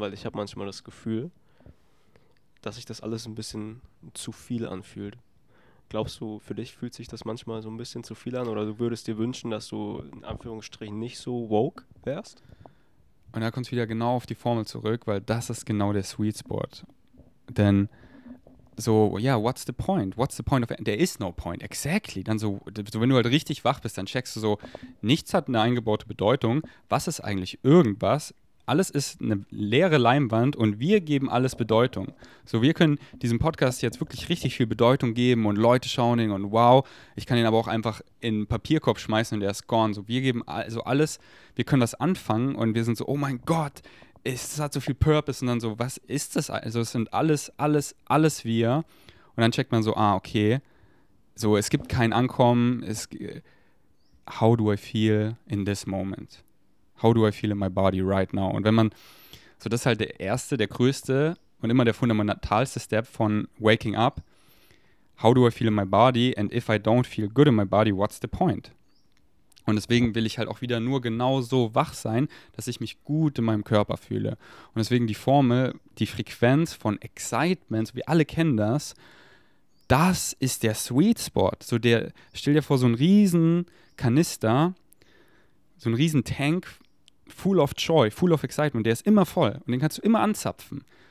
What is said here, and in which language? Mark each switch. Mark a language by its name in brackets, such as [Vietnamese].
[German] Weil ich habe manchmal das Gefühl, dass sich das alles ein bisschen zu viel anfühlt. Glaubst du, für dich fühlt sich das manchmal so ein bisschen zu viel an? Oder du würdest dir wünschen, dass du in Anführungsstrichen nicht so woke wärst? Und da kommt es wieder genau auf die Formel zurück, weil das ist genau der Sweet Spot. Denn so, ja, [English] yeah, what's the point? What's the point of, there is no point, exactly. [German] Dann so, wenn du halt richtig wach bist, dann checkst du so, nichts hat eine eingebaute Bedeutung. Was ist eigentlich irgendwas? alles ist eine leere Leinwand und wir geben alles Bedeutung. So, wir können diesem Podcast jetzt wirklich richtig viel Bedeutung geben und Leute schauen ihn und wow, ich kann ihn aber auch einfach in den Papierkorb schmeißen und der ist gone. So, wir geben also alles, wir können das anfangen und wir sind so, oh mein Gott, es hat so viel Purpose und dann so, was ist das? Also es sind alles wir und dann checkt man so, ah, okay, so, es gibt kein Ankommen, es, [English] how do I feel in this moment? How do I feel in my body right now? [German] Und wenn man, so das ist halt der erste, der größte und immer der fundamentalste Step von waking up. [English] How do I feel in my body? And if I don't feel good in my body, what's the point? [German] Und deswegen will ich halt auch wieder nur genau so wach sein, dass ich mich gut in meinem Körper fühle. Und deswegen die Formel, die Frequenz von Excitement, so wir alle kennen das, das ist der Sweet Spot. So der, stell dir vor, so ein riesen Kanister, so ein riesen Tank, [English] full of joy, full of excitement, [German] der ist immer voll und den kannst du immer anzapfen.